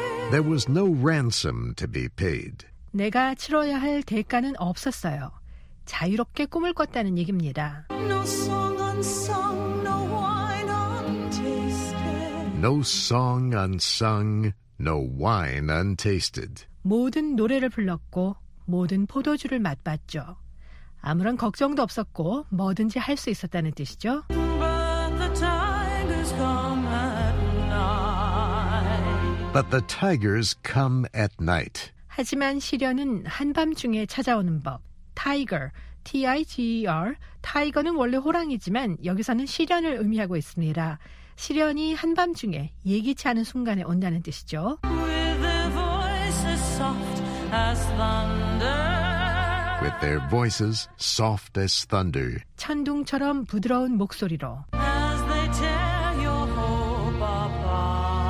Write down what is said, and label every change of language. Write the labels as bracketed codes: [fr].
[en] There was no ransom to be paid. [ko] 내가 치러야 할 대가는 없었어요. 자유롭게 꿈을 꿨다는 얘기입니다. [en] No song unsung, no wine untasted. No song unsung, no wine untasted. [ko] 모든 노래를 불렀고 모든 포도주를 맛봤죠. 아무런 걱정도 없었고 뭐든지 할 수 있었다는 뜻이죠. [en] But the tigers come at night. But the tigers come at night. [ko] 하지만 시련은 한밤중에 찾아오는 법. [en] Tiger, T-I-G-E-R. [ko] 타이거는 원래 호랑이지만 여기서는 시련을 의미하고 있습니다. 시련이 한밤중에 예기치 않은 순간에 온다는 뜻이죠. [en] With their voices soft as thunder. With their voices soft as thunder. [ko] 천둥처럼 부드러운 목소리로. [en] As they tear your hope apart.